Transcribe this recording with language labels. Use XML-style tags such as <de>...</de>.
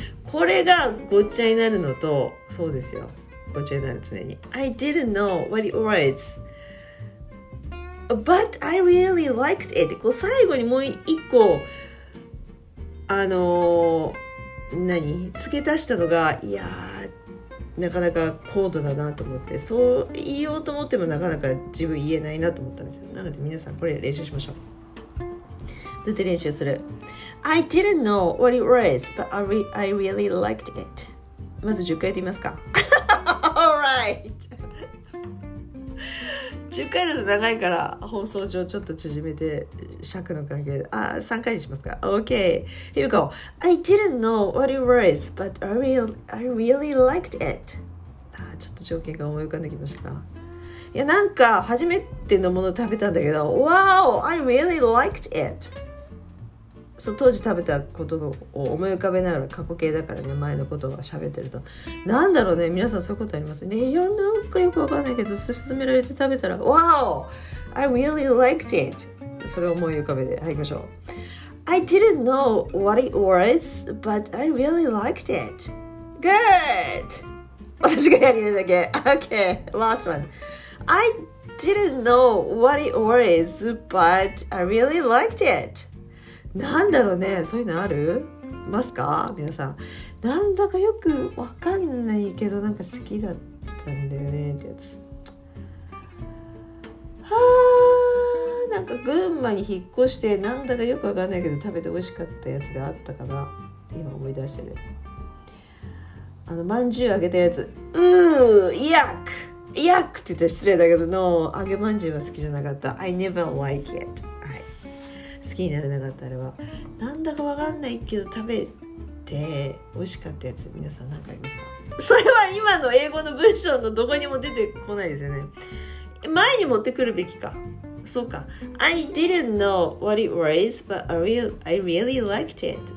<ja>これがごっちゃになるのと、そうですよ、こちらになる、常に</ja> <en>I didn't know what it was but I really liked it、</en> <ja>こう最後にもう一個何付け足したのが、いやなかなか高度だなと思って、そう言おうと思ってもなかなか自分言えないなと思ったんですよ。なので皆さんこれ練習しましょう。どうやって練習する？</ja> <en>I didn't know what it was but I really liked it。</en> <ja>まず10回やってみますか。</ja> <en>Alright.</en> <ja>10回だと長いから、放送上ちょっと縮めて尺の関係で、あ、3回にしますか。</ja> <en>OK. Here we go. I didn't know what it was but I really liked it.</en> <ja>あ、ちょっと条件が思い浮かんできましたか。いや、なんか初めてのものを食べたんだけど、</ja> <en>Wow! I really liked it.</en> <ja>そう、当時食べたことを思い浮かべながら、過去形だからね、前のことを喋ってると、なんだろうね、皆さんそういうことありますね。いや、なんかよくわかんないけど勧められて食べたら、</ja> <en>Wow! I really liked it!</en> <ja>それを思い浮かべて、はい、行きましょう。</ja> <en>I didn't know what it was but I really liked it. Good!</en> <ja>私がやりたいだけ。</ja> <en>OK! Last one. I didn't know what it was but I really liked it.</en> <ja>なんだろうね、そういうのありますか皆さん。なんだかよくわかんないけど、なんか好きだったんだよねってやつ。はー、なんか群馬に引っ越してなんだかよくわかんないけど食べて美味しかったやつがあったかな、今思い出してる。あの饅頭揚げたやつ、うー、イヤックって言ったら失礼だけど、の揚げ饅頭は好きじゃなかった。</ja> <en>I never like it。</en> <ja>好きになれなかった、あれは。なんだかわかんないけど食べて美味しかったやつ、皆さん何かありますか？それは今の英語の文章のどこにも出てこないですよね。前に持ってくるべきか。そうか。</ja> <en>I didn't know what it was, but I really liked it.</en>